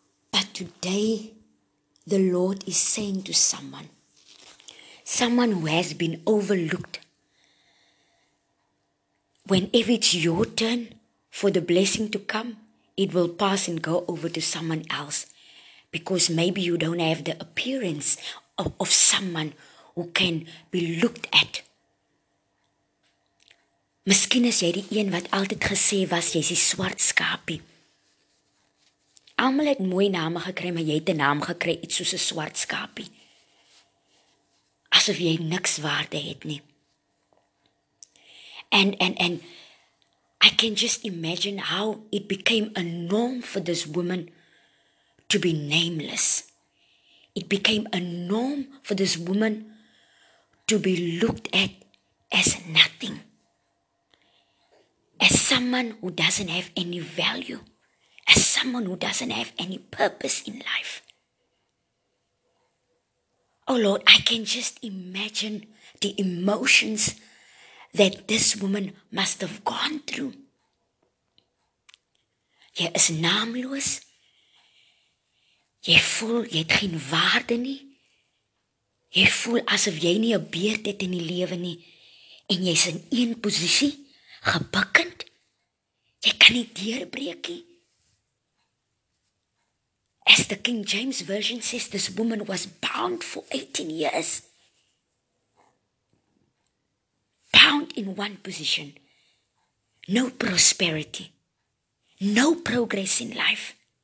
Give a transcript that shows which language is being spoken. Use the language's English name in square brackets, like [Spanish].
[English] But today, the Lord is saying to someone who has been overlooked, whenever it's your turn for the blessing to come, it will pass and go over to someone else. Because maybe you don't have the appearance of someone who can be looked at. [Afrikaans] Miskien is jy die een wat altyd gesê was, jy is die swart skapie. Almal het mooie name gekry, maar jy het 'n naam gekry, iets soos 'n swart skapie. Asof jy niks waarde het nie. [English] And I can just imagine how it became a norm for this woman to be nameless. It became a norm for this woman to be looked at as nothing, as someone who doesn't have any value, as someone who doesn't have any purpose in life. Oh Lord, I can just imagine the emotions that this woman must have gone through. [Afrikaans] Jy is naamloos. Jy voel jy het geen waarde nie. Jy voel asof jy nie 'n beurt het in die lewe nie. En jy's in een posisie, gebukkend. Jy kan nie deurbreek nie. [English] As the King James Version says, this woman was bound for 18 years. Bound in one position. No prosperity. No progress in life.